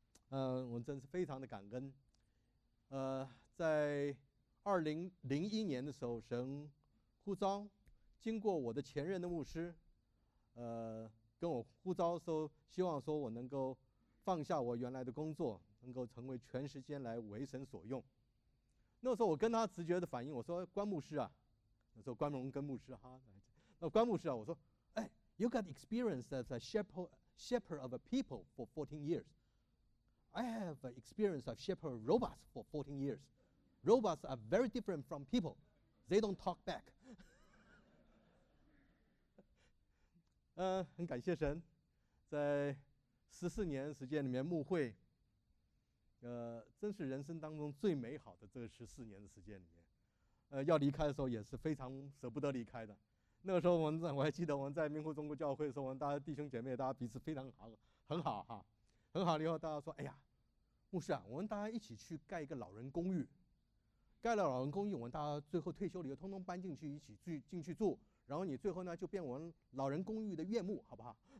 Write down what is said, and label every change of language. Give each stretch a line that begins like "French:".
Chinese: 我真是非常的感恩。在2001年的时候，神呼召，经过我的前任的牧师，跟我呼召的时候，希望说我能够放下我原来的工作，能够成为全时间来为神所用。那时候我跟他直觉的反应，我说：“关牧师啊，那时候关荣跟牧师哈，那关牧师啊，我说，哎 ，
English: You got experience as a shepherd of a people for 14 years. I have experience of shepherd robots for 14 years. Robots are very different from people. They don't talk back.
Chinese: 很感谢神，在14年时间里面牧会。” 真是人生当中最美好的这14年的时间里面，要离开的时候也是非常舍不得离开的。那个时候我还记得我们在明湖中国教会的时候，我们大家弟兄姐妹大家彼此非常好，很好哈，很好。以后大家说，哎呀，牧师啊，我们大家一起去盖一个老人公寓，盖了老人公寓，我们大家最后退休了以后通通搬进去一起住进去住，然后你最后呢就变我们老人公寓的院牧，好不好？